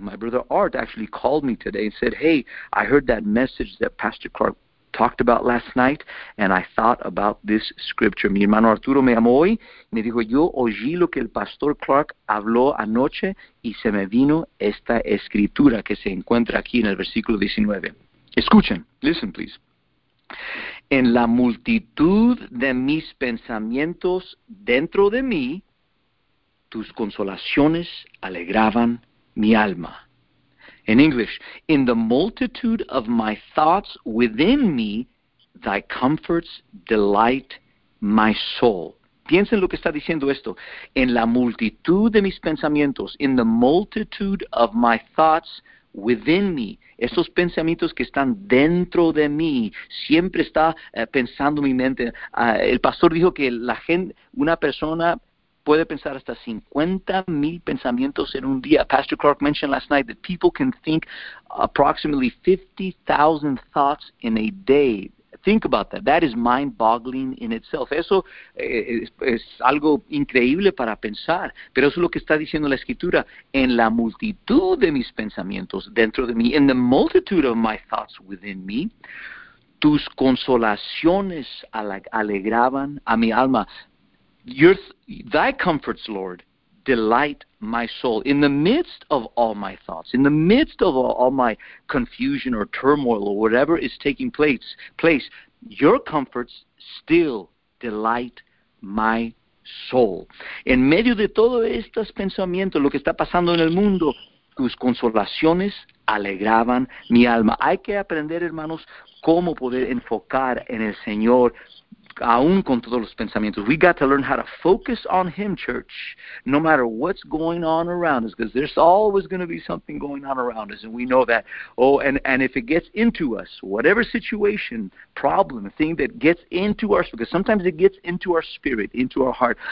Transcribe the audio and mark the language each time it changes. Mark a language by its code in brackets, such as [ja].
[en] My brother Art actually called me today and said, "Hey, I heard that message that Pastor Clark talked about last night, and I thought about this scripture." [es] Mi hermano Arturo me llamó hoy y me dijo, "Yo oí lo que el Pastor Clark habló anoche y se me vino esta escritura que se encuentra aquí en el versículo 19." Escuchen, [en] listen, please. [es] En la multitud de mis pensamientos dentro de mí, tus consolaciones alegraban mi alma. [en] In English, in the multitude of my thoughts within me, thy comforts delight my soul. [es] Piensen lo que está diciendo esto. En la multitud de mis pensamientos, [en] in the multitude of my thoughts within me, [es] esos pensamientos que están dentro de mí, siempre está pensando mi mente. El pastor dijo que la gente, una persona puede pensar hasta 50,000 pensamientos en un día. [en] Pastor Clark mentioned last night that people can think approximately 50,000 thoughts in a day. Think about that. That is mind-boggling in itself. [es] Eso es algo increíble para pensar, pero eso es lo que está diciendo la escritura. En la multitud de mis pensamientos dentro de mí, [en] in the multitude of my thoughts within me, [es] tus consolaciones alegraban a mi alma. [en] Thy comforts, Lord, delight my soul. In the midst of all my thoughts, in the midst of all my confusion or turmoil or whatever is taking place, your comforts still delight my soul. [es] En medio de todos estos pensamientos, lo que está pasando en el mundo, tus consolaciones alegraban mi alma. Hay que aprender, hermanos, cómo poder enfocar en el Señor, aún con todos los pensamientos. [en] We got to learn how to focus on Him, church, no matter what's going on around us, because there's always going to be something going on around us, and we know that. Oh, and if it gets into us, whatever situation, problem, thing that gets into us, because sometimes it gets into our spirit, into our heart.